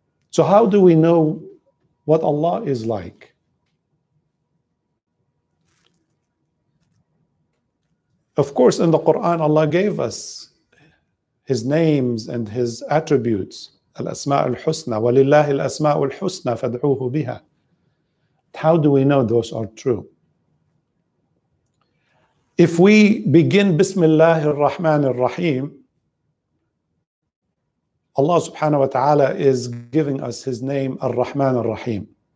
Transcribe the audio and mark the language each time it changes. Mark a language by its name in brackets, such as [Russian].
[English] So how do we know what Allah is like? Of course, in the Quran, Allah gave us his names and his attributes. [Arabic] الأسماء الحسنى ولله الأسماء الحسنى فادعوه بها. [English] How do we know those are true? If we begin [Arabic] بسم الله الرحمن الرحيم, [English] Allah subhanahu wa ta'ala is giving us his name الرحمن الرحيم.